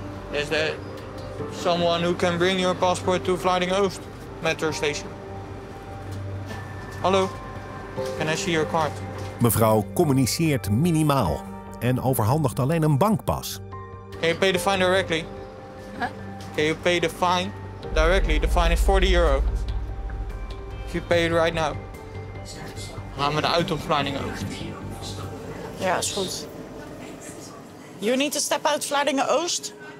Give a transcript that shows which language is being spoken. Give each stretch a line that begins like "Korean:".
English: Is there someone who can bring your passport to Vlaardingen Oost metro station? Hallo? Can I see your card?
Dutch: Mevrouw communiceert minimaal en overhandigt alleen een bankpas.
English: Can you pay the fine directly? Huh? Can you pay the fine directly? The fine is 40 euro. If you pay it right now,
Dutch: gaan we de auto op Vlaardingen Oost. Ja, is goed.
English: You need to step out Vlaardingen Oost?